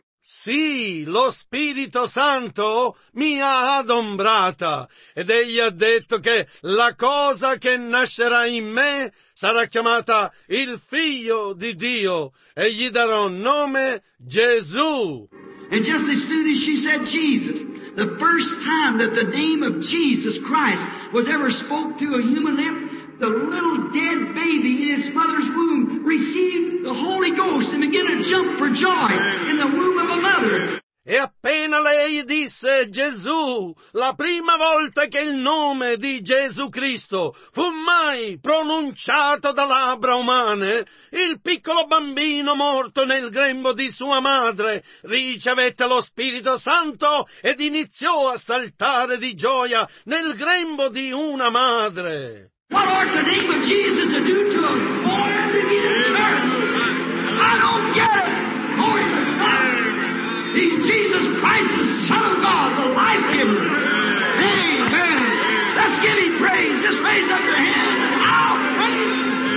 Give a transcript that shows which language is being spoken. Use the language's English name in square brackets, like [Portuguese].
[Italian] Sì, lo Spirito Santo mi ha adombrata, ed egli ha detto che la cosa che nascerà in me sarà chiamata il Figlio di Dio, e gli darò nome Gesù. [English] And just as soon as she said Jesus, the first time that the name of Jesus Christ was ever spoke to a human lip, the little dead baby in its mother's womb received the Holy Ghost and began to jump for joy in the womb of a mother. [Italian] E appena lei disse Gesù, la prima volta che il nome di Gesù Cristo fu mai pronunciato da labbra umane, il piccolo bambino morto nel grembo di sua madre ricevette lo Spirito Santo ed iniziò a saltare di gioia nel grembo di una madre. [English] What ought the name of Jesus to do to a born again church? I don't get it. Glory to God. He's Jesus Christ, the Son of God, the life giver. Amen. Let's give him praise. Just raise up your hands and I'll praise.